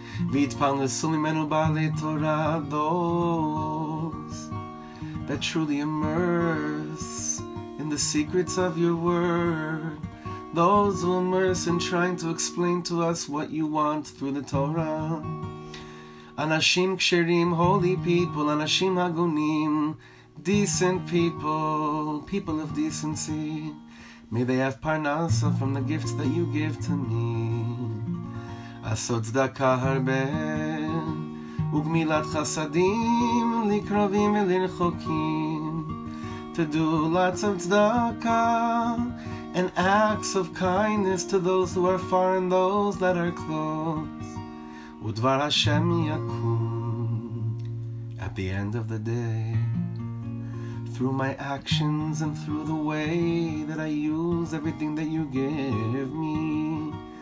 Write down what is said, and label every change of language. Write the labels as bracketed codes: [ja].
[he] ויתפרנסו ממנו בעלי תורה, [en] those that truly immerse in the secrets of your word, those who immerse in trying to explain to us what you want through the Torah. [he] אנשים כשרים, [en] holy people, [he] אנשים הגונים, [en] decent people, people of decency, may they have parnasa from the gifts that you give to me. [he] עשות צדקה הרבה וגמילת חסדים לקרובים ולרחוקים. [en] To do lots of tzedakah and acts of kindness to those who are far and those that are close. [he] ודבר השם יקום [en] at the end of the day, through my actions and through the way that I use everything that you give me.